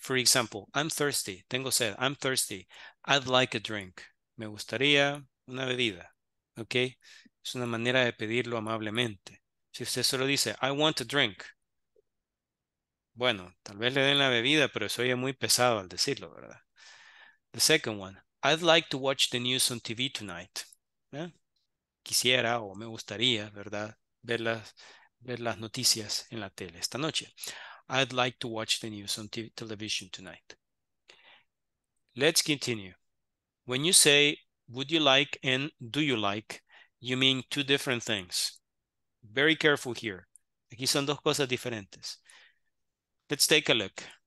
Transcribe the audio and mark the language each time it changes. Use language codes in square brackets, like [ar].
[en] For example, I'm thirsty. [es] Tengo sed. [en] I'm thirsty. I'd like a drink. [es] Me gustaría una bebida. ¿Ok? Es una manera de pedirlo amablemente. Si usted solo dice, [en] I want a drink. [es] Bueno, tal vez le den la bebida, pero eso ya es muy pesado al decirlo, ¿verdad? [en] The second one. I'd like to watch the news on TV tonight. [es] ¿Eh? Quisiera o me gustaría, ¿verdad? Ver las noticias en la tele esta noche. [en] I'd like to watch the news on television tonight. Let's continue. When you say, would you like and do you like, you mean two different things. Very careful here. [es] Aquí son dos cosas diferentes. [en] Let's take a look.